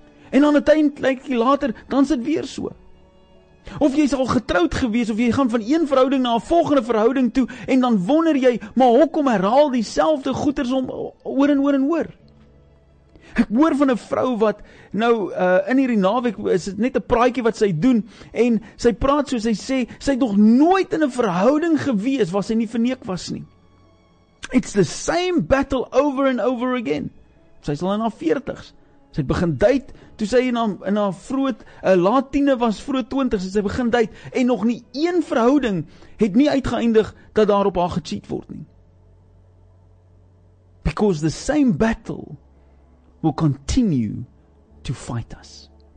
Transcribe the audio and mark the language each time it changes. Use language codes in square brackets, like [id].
[af] En dan 'n tydjie later, dan is dit weer so. Of jy is al getroud gewees, of jy gaan van een verhouding na 'n volgende verhouding toe en dan wonder jy, maar hoekom herhaal dieselfde goeters om oor en oor en oor? Ek hoor van 'n vrou wat nou in hierdie naweek is dit net 'n praatjie wat sy doen en sy praat soos sy sê, sy het nog nooit in 'n verhouding gewees waar sy nie verneek was nie. [en] It's the same battle over and over again. [af] Sy is al in haar 40s. Sy het begin date, toe sy in haar vroeg, laat tiener was, vroeg 20s, sy begin date, en nog nie een verhouding het nie uitgeëindig dat daar op haar gecheat word nie. [en] Because the same battle will continue to fight us.